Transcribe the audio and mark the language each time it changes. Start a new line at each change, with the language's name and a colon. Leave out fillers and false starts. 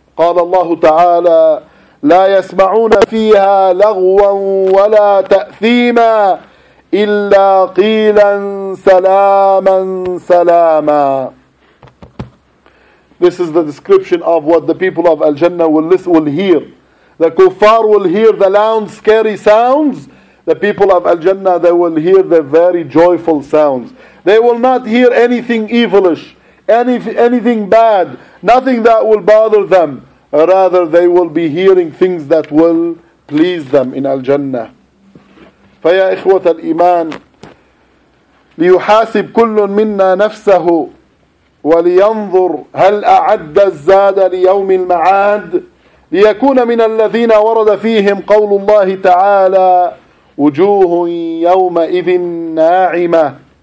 Arabic: قال الله تعالى لا يسمعون فيها لغوا ولا تأثيما إلا قيلا سلاما سلاما.
English: This is the description of what the people of Al-Jannah will listen, will hear. The kuffar will hear the loud scary sounds. The people of Al-Jannah, they will hear the very joyful sounds. They will not hear anything evilish, anything bad, nothing that will bother them. Rather, they will be hearing things that will please them in Al-Jannah.
Arabic: فَيَا إِخْوَةَ الْإِيمَانِ لِيُحَاسِبْ كُلٌّ مِنَّا نَفْسَهُ وَلِيَنْظُرْ هَلْ أَعَدَّ الزَّادَ لِيَوْمِ الْمَعَادِ لِيَكُونَ مِنَ الَّذِينَ وَرَدَ فِيهِمْ قَوْلُ اللَّهِ تَعَالَى وُجُوهٌ يَوْمَئِذٍ نَاعِمَةٌ